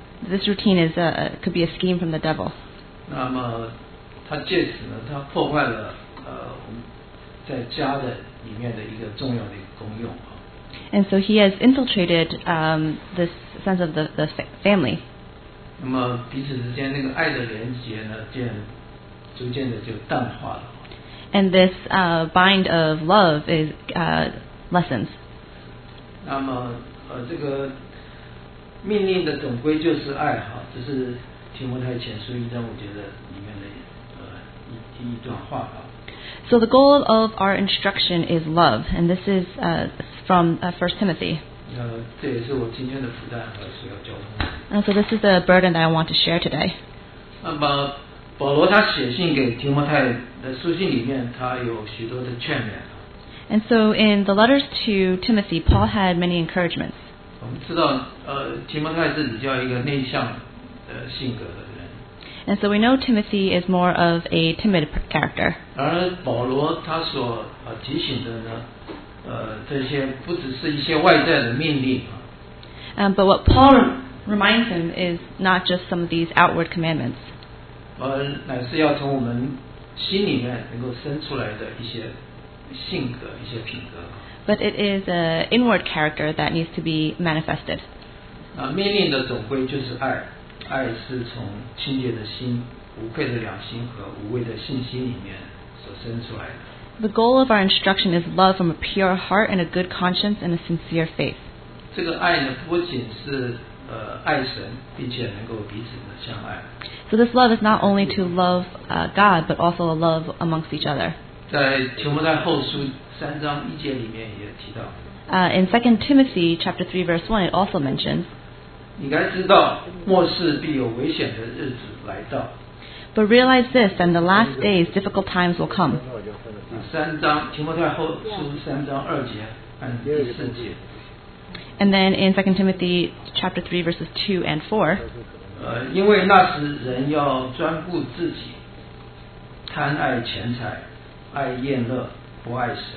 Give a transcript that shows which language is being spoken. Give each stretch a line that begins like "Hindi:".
English: this routine is a, could be a scheme from the devil.
Chinese: 那么他借此呢，他破坏了我们在家的里面的一个重要的功用。
English: And so he has infiltrated this sense of the family.
Chinese: 那么彼此之间那个爱的连结呢，渐逐渐的就淡化了。
English: And this bind of love is lessens.
Chinese: 那么这个命令的总归就是爱哈，这是提摩太前书一章五节的里面的一段话哈。
English: So the goal of our instruction is love, and this is from 1 Timothy.
Chinese: 这也是我今天的负担和需要交通。
English: And so this is the burden that I want to share today.
Chinese: 那么保罗他写信给提摩太的书信里面，他有许多的劝勉。
English: And so in the letters to Timothy, Paul had many encouragements.
Chinese: 我们知道，提摩太是比较一个内向的性格的。
English: And so we know Timothy is more of a timid character.
Chinese: 而保罗他所提醒的呢，这些不只是一些外在的命令。
English: But what Paul reminds him is not just some of these outward commandments.
Chinese: 乃是要从我们心里面能够生出来的一些性格、一些品格。
English: But it is an inward character that needs to be manifested.
Chinese: 命令的总归就是爱。爱是从清洁的心、无愧的良心和无畏的信心里面所生出来的。
English: The goal of our instruction is love from a pure heart and a good conscience and a sincere faith.
Chinese: 这个爱呢，不仅是爱神，并且能够彼此的相爱。
English: So this love is not only to love God, but also a love amongst each other.
Chinese: 在提摩太后书三章一节里面也提到。
English: In 2 Timothy chapter 3 verse 1, it also mentions.
Chinese: 你该知道，末世必有危险的日子来到。
English: But realize this, and the last days, difficult times will come.
Chinese: 三章提摩太后书三章二节和第四节。
English: And then in 2 Timothy chapter 3 verses 2 and 4.
Chinese: 因为那时人要专顾自己，贪爱钱财，爱宴乐，不爱神。